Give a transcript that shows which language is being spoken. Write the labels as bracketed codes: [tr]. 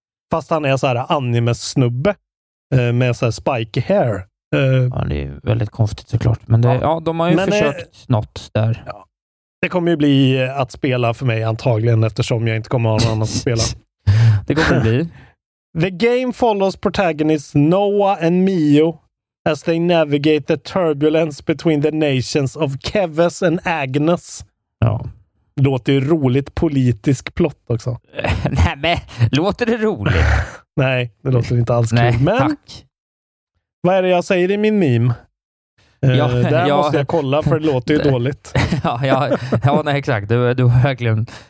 [sv] Fast han är så här anime-snubbe med så här spiky hair. Ja, det är väldigt konstigt såklart. Men det, ja. Ja, de har ju försökt något där. Ja. Det kommer ju bli att spela för mig antagligen, eftersom jag inte kommer ha någon annan att spela. Det kommer bli. [en] The game follows protagonists Noah and Mio as they navigate the turbulence between the nations of Keves and Agnes. [sv] Ja. Låter ju roligt politisk plott också. Nej, men låter det roligt? Nej, det låter inte alls kul. Nej, men tack. Vad är det jag säger i min meme? Ja, där ja, måste jag kolla, för det låter ju dåligt. Ja, ja, ja, nej, exakt. Du har verkligen...